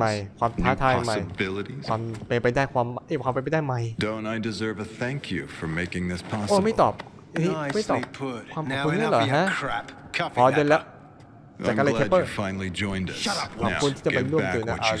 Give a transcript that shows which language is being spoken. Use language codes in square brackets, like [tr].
[th] ใหม่ความท้าทายใหม่ความเป็นไปได้ความเป็นไปได้ใหม่ [en] Don't I deserve a thank you for making this possible [th] โอ้ไม่ตอบไม่ตอบความขอบคุณนี่เหรอฮะพอเดินแล้วจากอะไรแคปเปอร์ ขอบคุณที่จะไปร่วมด้วยนะ